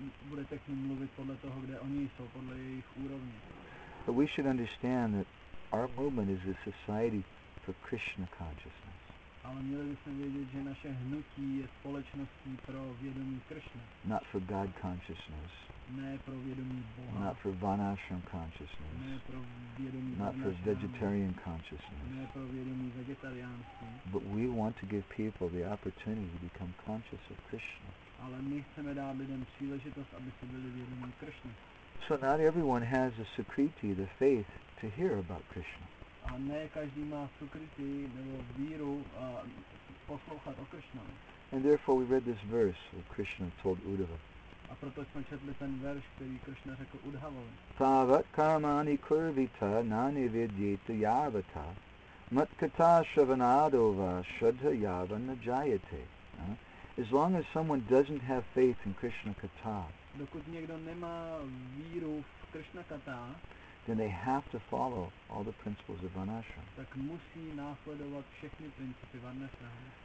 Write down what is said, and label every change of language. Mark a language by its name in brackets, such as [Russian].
[Czech] Budete k ním mluvit podle toho, kde oni jsou, podle jejich úrovně. [English] But we should understand that our movement is a society for Krishna consciousness. [Czech] Ale měli bychom vědět, že naše hnutí je společností pro vědomí Krishna. [English] Not for God consciousness. [Czech] Ne pro vědomí Boha. [English] Not for vanashram consciousness. [Czech] Ne pro vědomí [English] Not for vegetarian consciousness. [Czech] Ne pro vědomí vegetariánství. [English] But we want to give people the opportunity to become conscious of Krishna. [Czech] Ale my chceme dát lidem příležitost, aby se byli vědomí Krishna. [English] So not everyone has the sukriti, the faith, to hear about Krishna. [Czech] A ne každý má sukriti nebo víru poslouchat o Krishna. [English] And therefore we read this verse that Krishna told Uddhava. [Czech] A proto jsme četli ten verš, který Krishna řekl Uddhavovi. [Sanskrit] Tavat kamani kurvita nani vidyita yavata matkata shravanadova shuddha yavana jayate. [English] As long as someone doesn't have faith in Krishna Katha, [Czech] dokud někdo nemá víru v Krishna Katha, [English] then they have to follow all the principles of vanashram. [Czech] Tak musí následovat všechny principy vanashram.